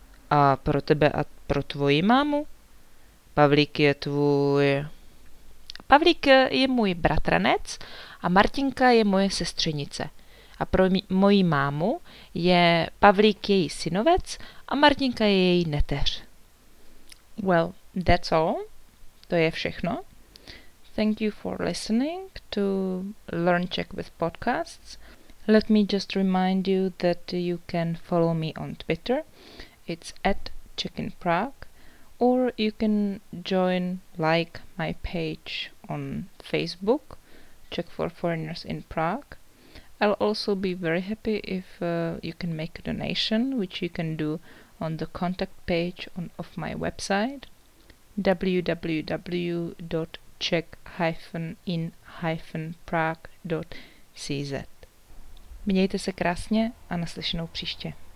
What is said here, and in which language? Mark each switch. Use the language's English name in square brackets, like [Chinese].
[Czech] A pro tebe a pro tvoji mámu? Pavlík je tvůj... Pavlík je můj bratranec a Martinka je moje sestřenice. A pro moji mámu je Pavlík její synovec a Martinka je její neteř. [English] Well, that's all. [Czech] To je všechno. [English] Thank you for listening to Learn Czech with Podcasts. Let me just remind you that you can follow me on Twitter. It's @CzechInPrague, or you can join, like my page on Facebook, Czech for Foreigners in Prague. I'll also be very happy if you can make a donation, which you can do on the contact page of my website, www.czech-in-prague.cz. [Czech] Mějte se krásně a naslyšenou příště.